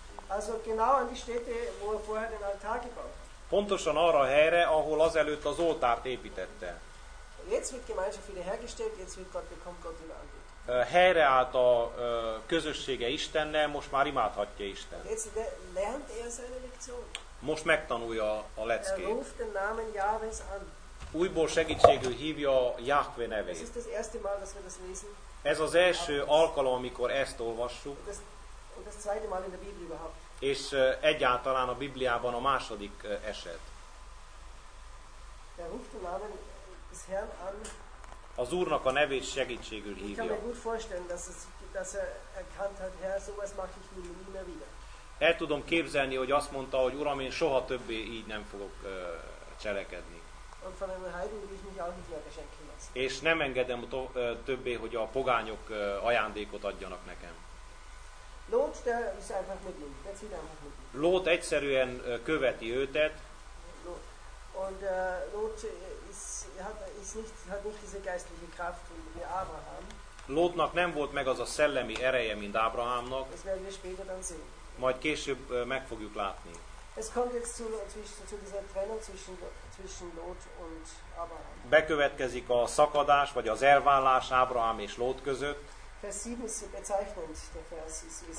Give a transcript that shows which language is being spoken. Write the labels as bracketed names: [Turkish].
[German] Also genau an die Städte, wo er vorher den Altar gebaut. [Hungarian] Pontosan arra a helyre, ahol azelőtt az oltárt építette. [German] Jetzt wird Gemeinschaft wieder hergestellt, jetzt wird Gott bekommt Gott wieder Anbetung. [Hungarian] Helyre állt a közössége Istennel, most már imádhatja Isten. [German] Jetzt lernt er seine Lektion. [Hungarian] Most megtanulja a leckét. [German] Er ruft den Namen Jahwes an. [Hungarian] Újból segítségül hívja Jahve nevét. Ez az [German] erste Mal, dass wir das lesen. [Hungarian] Ez az első alkalom, amikor ezt olvassuk. [German] Das zweite Mal in der Bibel überhaupt. [Hungarian] És egyáltalán a Bibliában a második eset. [German] Er ruft den Namen des Herrn an. [Hungarian] Az Úrnak a nevét segítségül hívja. [German] Ich kann mir gut vorstellen, dass er erkannt hat, Herr, sowas mache ich nie mehr wieder. [Hungarian] El tudom képzelni, hogy azt mondta, hogy Uram, én soha többé így nem fogok cselekedni. [German] Und von einem Heiden will ich mich auch nicht mehr beschenken lassen. [Hungarian] És nem engedem többé, hogy a pogányok ajándékot adjanak nekem. [German] Lót, de ist einfach mit ihm. Der zieht einfach mit ihm. [Hungarian] Lót egyszerűen követi őtet. [German] Und Lót hat nicht diese geistliche Kraft wie Abraham. [Hungarian] Lótnak nem volt meg az a szellemi ereje, mint Ábrahámnak. [German] Das werden wir später dann sehen. [Hungarian] Majd később meg fogjuk látni. [German] Es kommt jetzt zu dieser Trennung zwischen Lot und Abraham. [Hungarian] Bekövetkezik a szakadás, vagy az elvállás Ábrahám és Lót között. [German] Vers 7 ist bezeichnend, der Vers ist